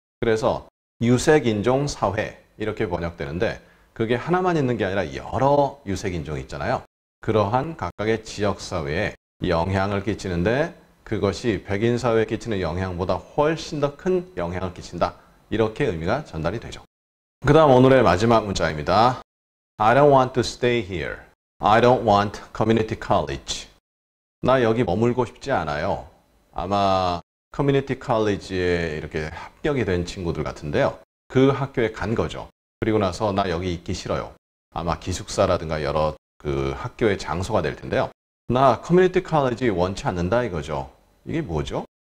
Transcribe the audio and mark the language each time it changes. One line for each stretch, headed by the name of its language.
Korean: 그래서 유색인종 사회 이렇게 번역되는데 그게 하나만 있는 게 아니라 여러 유색인종이 있잖아요. 그러한 각각의 지역사회에 영향을 끼치는데 그것이 백인 사회에 끼치는 영향보다 훨씬 더 큰 영향을 끼친다. 이렇게 의미가 전달이 되죠. 그 다음 오늘의 마지막 문자입니다.
English: I don't want to stay here. I don't want community college.
Korean: 나 여기 머물고 싶지 않아요. 아마 커뮤니티 칼리지에 이렇게 합격이 된 친구들 같은데요. 그 학교에 간 거죠. 그리고 나서 나 여기 있기 싫어요. 아마 기숙사라든가 여러 그 학교의 장소가 될 텐데요. 나 커뮤니티 칼리지 원치 않는다 이거죠. 이게 뭐죠?